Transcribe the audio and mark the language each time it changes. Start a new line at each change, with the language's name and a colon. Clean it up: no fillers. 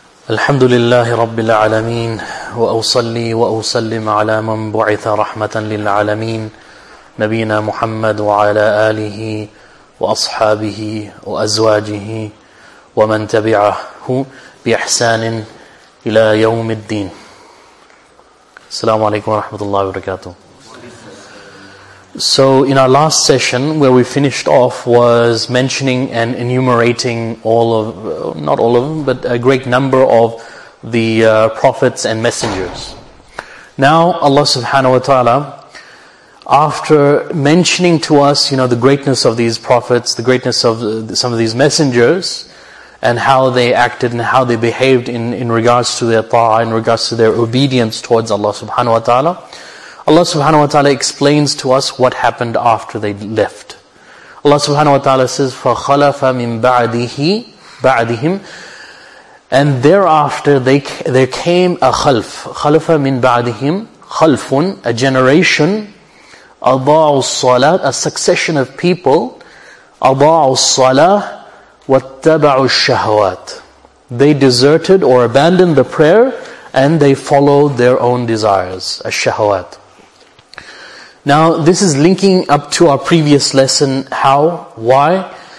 Arabic: الحمد لله رب العالمين وأصلي وأسلم على من بعث رحمة للعالمين نبينا محمد وعلى آله وأصحابه وأزواجه ومن تبعه بإحسان إلى يوم الدين. السلام عليكم ورحمة الله وبركاته.
English: So in our last session, where we finished off was mentioning and enumerating all of, not all of them, but a great number of the prophets and messengers. Now Allah subhanahu wa ta'ala, after mentioning to us, you know, the greatness of these prophets, the greatness of some of these messengers, and how they acted and how they behaved in regards to their ta'ah, in regards to their obedience towards Allah subhanahu wa ta'ala, Allah subhanahu wa ta'ala explains to us what happened after they left. Allah subhanahu wa ta'ala says,
Arabic: فَخَلَفَ مِن بَعْدِهِ بَعْدِهِمْ
English: And thereafter there came a khalf.
Arabic: خَلَفَ مِن بَعْدِهِمْ خَلْفٌ
English: A generation.
Arabic: أَضَاعُ الصَّلَاةِ
English: A succession of people.
Arabic: أَضَاعُ الصَّلَاةِ وَاتَّبَعُ الشَّهَوَاتِ
English: They deserted or abandoned the prayer and they followed their own desires. الشَّهَوَاتِ Now, this is linking up to our previous lesson. How? Why?